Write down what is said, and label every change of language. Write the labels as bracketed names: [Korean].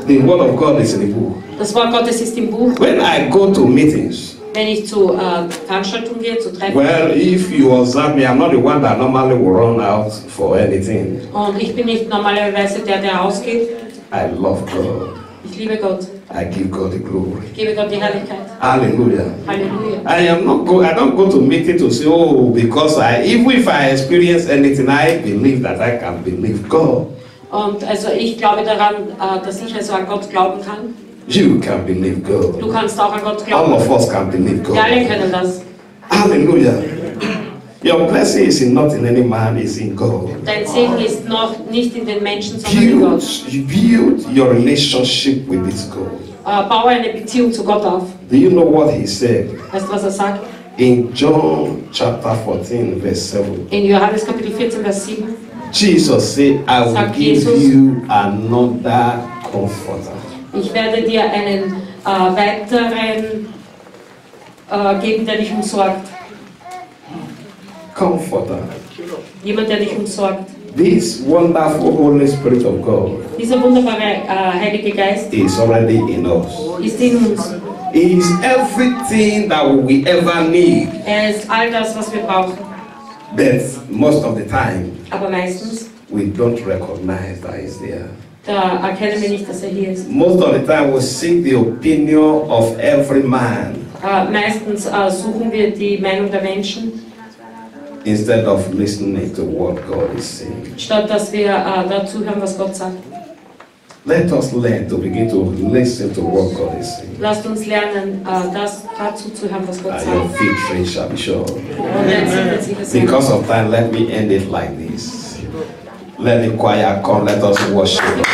[English] The word of God is in the book. [German] Das Wort Gottes ist im Buch. [English] When I go to meetings. [German] Wenn ich zu Veranstaltungen gehe, zu Treffen. [English] Well, if you observe me, I'm not the one that normally will run out for anything. [German] Und ich bin nicht normalerweise der, der ausgeht. [English] I love God. [German] Ich liebe Gott. [English] I give God the glory. [German] Ich gebe Gott die Herrlichkeit. [English] Hallelujah. Hallelujah. I don't go to meeting to say, oh, because even if I experience anything, I believe that I can believe God. [German] Und also ich glaube daran, dass ich also an Gott glauben kann. [English] You can believe God. [German] Du kannst auch an Gott glauben. [English] All of us can believe God. [German] Wir alle können das. [English] Hallelujah. Your blessing is not in any man, it's in God. [German] Dein Segen ist noch nicht in den Menschen, sondern in Gott. [English] Build your relationship with this God. [German] Baue eine Beziehung zu Gott auf. [English] Do you know what he said? [German] Weißt du, was er sagt? [English] In John chapter 14, verse 7. [German] In Johannes Kapitel 14, Vers 7. [English] Jesus said, I will give Jesus, you another comforter. [German] Ich werde dir einen weiteren geben, der dich umsorgt. [English] Comforter. [German] Jemand, der dich umsorgt. [English] This wonderful Holy Spirit of God. [German] Dieser wunderbare Heilige Geist. [English] Is already in us. [German] Ist in uns. [English] Is everything that we ever need. [German] Er ist all das, was wir brauchen. [English] But most of the time. [German] Aber meistens. [English] We don't recognize that he's there. [German] Da erkennen wir nicht, dass er hier ist. [English] Most of the time we seek the opinion of every man. [German] Meistens suchen wir die Meinung der Menschen. [English] Instead of listening to what God is saying. [German] Statt dass wir dazu hören, was Gott sagt. [English] Let us learn to begin to listen to what God is saying. [German] Lasst uns lernen, das dazu zu hören, was Gott sagt. [English] Your victory shall be sure. Amen. Because of time, let me end it like this. Let the choir come, let us worship.